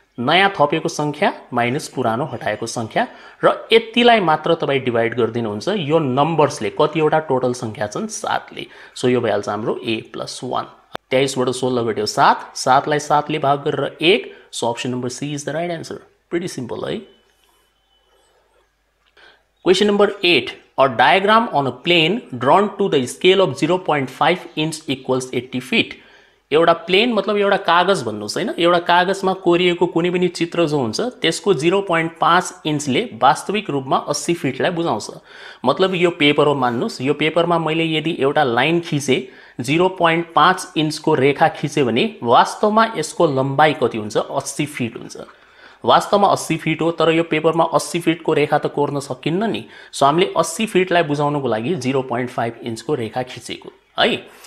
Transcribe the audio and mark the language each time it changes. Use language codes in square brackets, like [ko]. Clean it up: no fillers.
[ne] नयाँ थपेको संख्या माइनस पुरानो हटाएको संख्या र यतिलाई मात्र तपाईँ डिभाइड गरिदिनुहुन्छ यो नम्बर्सले कतिवटा टोटल संख्या छन् 7 ले सो यो भइहाल्छ हाम्रो ए प्लस 1 23 16 भेट्यो 7 7 7 ले भाग गरेर 1 [en] So option number C is the right answer. Pretty simple, right? Question number 8. A diagram on a plane drawn to the scale of 0.5 inch equals 80 feet. [ne] एउटा प्लेन मतलब एउटा कागज भन्नुहोस् होइन एउटा कागजमा कोरिएको कुनै पनि चित्र जो हुन्छ त्यसको 0.5 इन्चले वास्तविक रूपमा 80 फिटलाई बुझाउँछ मतलब यो पेपर हो मान्नुहोस् यो पेपरमा मैले यदि एउटा लाइन खिचेँ 0.5 इन्चको रेखा खिचेँ भने वास्तवमा यसको लम्बाइ कति हुन्छ 80 फिट हुन्छ वास्तवमा 80 फिट हो तर यो पेपरमा 80 फिटको रेखा त कोर्न सकिन्न नि सो हामीले 80 फिटलाई बुझाउनको लागि 0.5 इन्चको रेखा खिचेको है